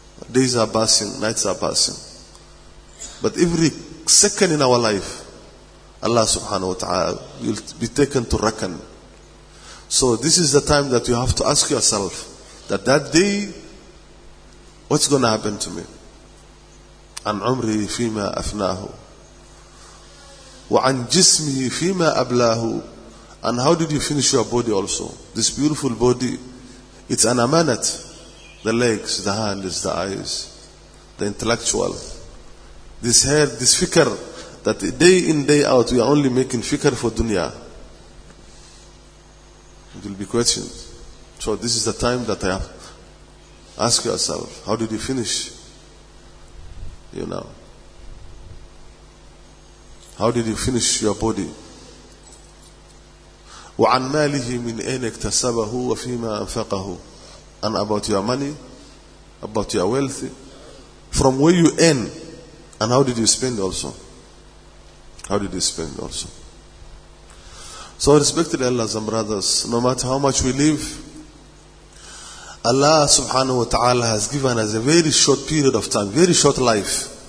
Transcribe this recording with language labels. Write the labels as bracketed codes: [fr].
[en] Days are passing, nights are passing. But every second in our life, Allah subhanahu wa ta'ala will be taken to reckon. So this is the time that you have to ask yourself, that day, what's going to happen to me? [ar] عن عمري فيما أفناه وعن جسمي فيما أبلاه. [en] And how did you finish your body also? This beautiful body, it's an amanat. The legs, the hands, the eyes, the intellectual. This hair, this fikr, that day in, day out, we are only making fikr for dunya. It will be questioned. So this is the time that I have. Ask yourself, how did you finish? You know. How did you finish your body? [ar] وعن ماله من أين اكتسبه وفيما أنفقه. [en] And about your money, about your wealth, from where you earn, and how did you spend also? How did you spend also? So respected Allahs and brothers, no matter how much we live, Allah subhanahu wa ta'ala has given us a very short period of time, very short life.